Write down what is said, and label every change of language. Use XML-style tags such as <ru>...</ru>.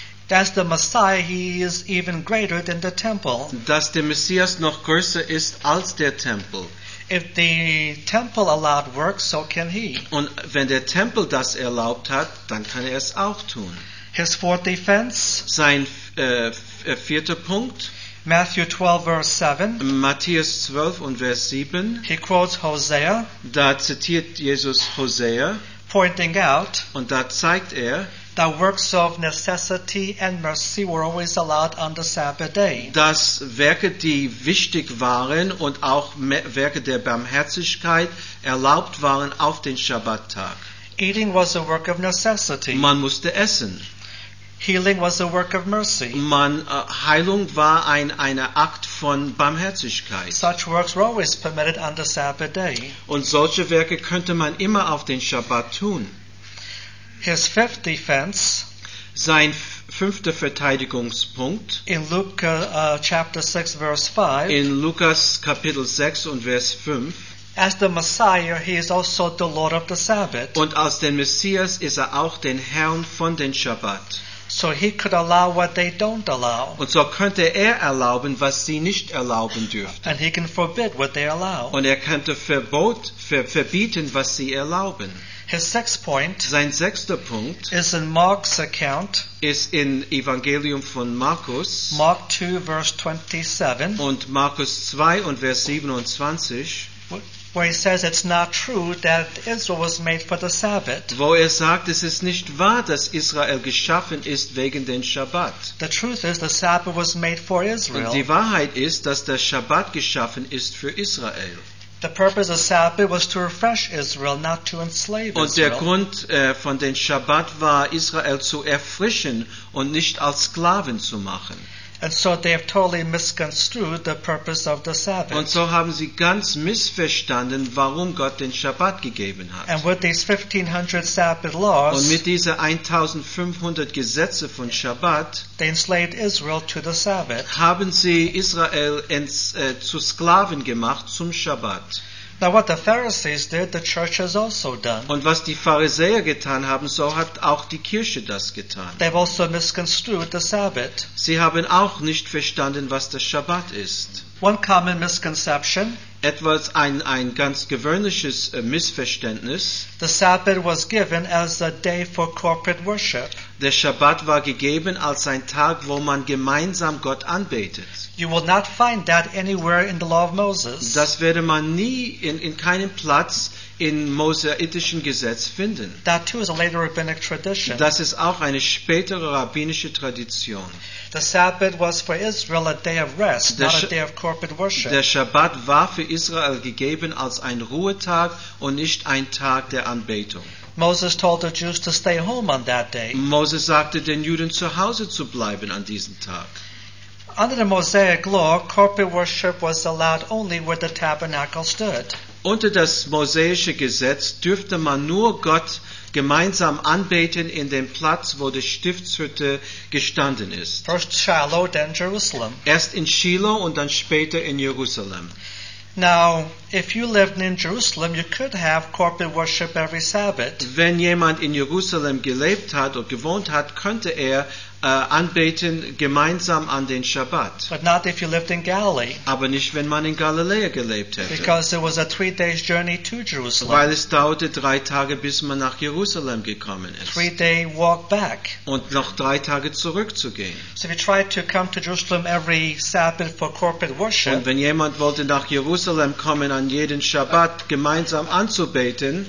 <en>that's the Messiah, he is even greater than the temple.</en> <de>Dass der Messias noch größer ist als der Tempel.</de> <en>If the temple allowed work, so can he.</en> <de>Und wenn der Tempel das erlaubt hat, dann kann er es auch tun.</de> <en>His fourth defense,</en> <de>sein vierter Punkt,</de> <en>Matthew 12, verse 7.</en> <de>Matthäus 12 und Vers 7.</de> <en>He quotes Hosea.</en> <de>Da zitiert Jesus Hosea.</de> <en>Pointing out.</en> <de>Und da zeigt er.</de> <en>That works of necessity and mercy were always allowed on the Sabbath day.</en> <de>Dass Werke, die wichtig waren und auch Werke der Barmherzigkeit erlaubt waren auf den Schabbattag.</de> <en>Eating was a work of necessity.</en> <de>Man musste essen.</de> <en>Healing was a work of mercy.</en> <de>Heilung war ein Akt von Barmherzigkeit.</de> <en>Such works were always permitted on the Sabbath day.</en> <de>Und solche Werke könnte man immer auf den Schabbat tun.</de> <en>His fifth defense,</en> <de>sein fünfter Verteidigungspunkt,</de> <en>in Luke chapter 6 verse 5,</en> <de>in Lukas Kapitel 6 und Vers 5,</de> <en>as the Messiah, he is also the Lord of the Sabbath.</en> <de>Und als den Messias ist auch den Herrn von den Schabbat.</de> <en>So he could allow what they don't allow.</en> <de>Und so könnte erlauben, was sie nicht erlauben dürften.</de> <en>And he can forbid what they allow.</en> <de>Und könnte verbieten, was sie erlauben.</de> <en>His sixth point,</en> <de>sein sechster Punkt,</de> <en>is in Mark's account,</en> <de>ist in Evangelium von Markus,</de> <en>Mark 2, verse 27,</en> <de>und Markus 2 und Vers 27,</de> <en>where he says it's not true that Israel was made for the Sabbath.</en> <de>Wo sagt, es ist nicht wahr, dass Israel geschaffen ist wegen den Schabbat.</de> <en>The truth is the Sabbath was made for Israel.</en> <de>Und die Wahrheit ist, dass der Schabbat geschaffen ist für Israel.</de> <en>The purpose of Sabbath was to refresh Israel, not to enslave</en> <de>Israel. Und der Grund von den Schabbat war, Israel zu erfrischen und nicht als Sklaven zu machen.</de> <en>And so they have totally misconstrued the purpose of the Sabbath.</en> <de>Und so haben sie ganz missverstanden, warum Gott den Schabbat gegeben hat.</de> <en>And with these 1500 Sabbath laws,</en> <de>und mit diesen 1500 Gesetze von Schabbat,</de> <en>they enslaved Israel to the Sabbath.</en> <de>Haben sie Israel zu Sklaven gemacht zum Schabbat.</de> <en>Now what the Pharisees did, the church has also done.</en> <de>Und was die Pharisäer getan haben, so hat auch die Kirche das getan.</de> <en>They've also misconstrued the Sabbath.</en> <de>Sie haben auch nicht verstanden, was der Schabbat ist.</de> <en>One common misconception.</en> <de>Etwas ein ganz gewöhnliches Missverständnis.</de> <en>The Sabbath was given as a day for corporate worship.</en> <de>Der Schabbat war gegeben als ein Tag, wo man gemeinsam Gott anbetet.</de> <en>You will not find that anywhere in the law of Moses.</en> <de>Das werde man nie in keinem Platz in mosaitischen Gesetz finden.</de> <en>That too is a later rabbinic tradition.</en> <de>Das ist auch eine spätere rabbinische Tradition.</de> <en>The Sabbath was for Israel a day of rest, not a day of corporate worship.</en> <de>Der Schabbat war für Israel gegeben als ein Ruhetag und nicht ein Tag der Anbetung.</de> <en>Moses told the Jews to stay home on that day.</en> <de>Moses sagte den Juden zu Hause zu bleiben an diesem Tag.</de> <en>Under the Mosaic law, corporate worship was allowed only where the tabernacle stood.</en> <de>Unter das mosaische Gesetz dürfte man nur Gott gemeinsam anbeten in dem Platz, wo die Stiftshütte gestanden ist.</de> <en>First Shiloh, then Jerusalem.</en> <de>Erst in Shiloh und dann später in Jerusalem.</de> <en>Now, if you lived in Jerusalem, you could have corporate worship every Sabbath.</en> <de>Wenn jemand in Jerusalem gelebt hat oder gewohnt hat, könnte anbeten gemeinsam an den Schabbat.</de> <en>But not if you lived in Galilee.</en> <de>Aber nicht, wenn man in Galiläa gelebt hätte.</de> <en>Because it was a 3 days journey to Jerusalem.</en> <de>Weil es dauerte 3 Tage, bis man nach Jerusalem gekommen ist.</de> <en>3 day walk back.</en> <de>Und noch 3 Tage zurückzugehen.</de> <en>So if you tried to come to Jerusalem every Sabbath for corporate worship.</en> <de>Und wenn jemand wollte nach Jerusalem kommen an an jeden Shabbat gemeinsam anzubeten,</de>